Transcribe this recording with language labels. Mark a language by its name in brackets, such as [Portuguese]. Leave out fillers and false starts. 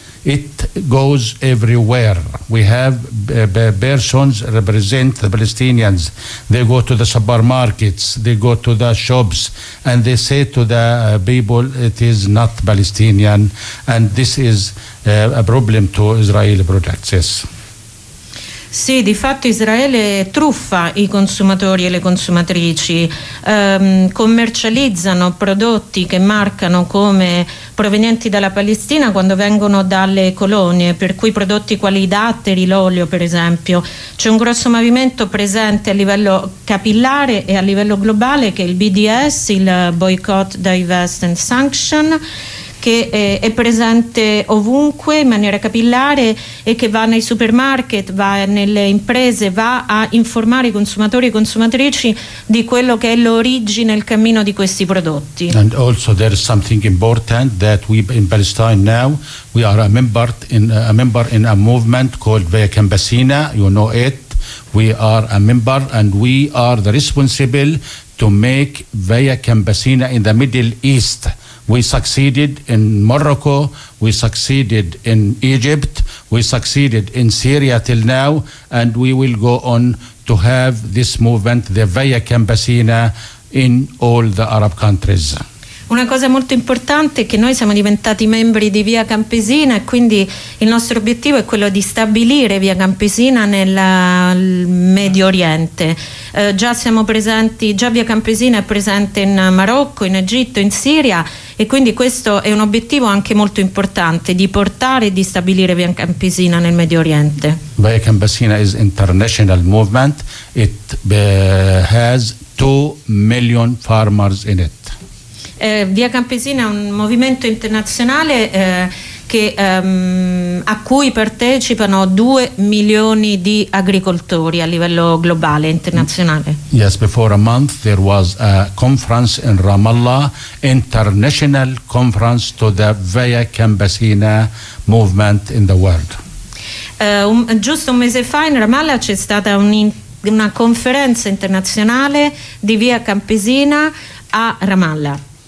[English] It goes everywhere. We have persons represent the Palestinians. They go to the supermarkets, they go to the shops, and they say to the people, it is not Palestinian, and this is a problem to Israeli products. Yes. [Italian] Sì, di fatto Israele truffa i consumatori e le consumatrici, commercializzano prodotti che marcano come provenienti dalla Palestina quando vengono dalle colonie, per cui prodotti quali i datteri, l'olio per esempio. C'è un grosso movimento presente a livello capillare e a livello globale che è il BDS, il Boycott, Divest and Sanction, che è presente ovunque in maniera capillare e che va nei supermarket, va nelle imprese, va a informare i consumatori e consumatrici di quello che è l'origine, il cammino di questi prodotti. [English] And also there is something important that we in Palestine now we are a member in a movement called Via Campesina, you know it, we are a member and we are the responsible to make Via Campesina in the Middle East. We succeeded in Morocco, we succeeded in Egypt, we succeeded in Syria till now, and we will go on to have this movement, the Via Campesina, in all the Arab countries. [Italian] Una cosa molto importante è che noi siamo diventati membri di Via Campesina e quindi il nostro obiettivo è quello di stabilire Via Campesina nel Medio Oriente. Già Via Campesina è presente in Marocco, in Egitto, in Siria, e quindi questo è un obiettivo anche molto importante di portare e di stabilire Via Campesina nel Medio Oriente. [English] Via Campesina is international movement. It has 2 million farmers in it. [Italian] Via Campesina è un movimento internazionale a cui partecipano 2 milioni di agricoltori a livello globale, internazionale. [English] Yes, before a month there was a conference in Ramallah, international conference to the Via Campesina movement in the world. [Italian] Giusto un mese fa in Ramallah c'è stata una conferenza internazionale di Via Campesina a Ramallah.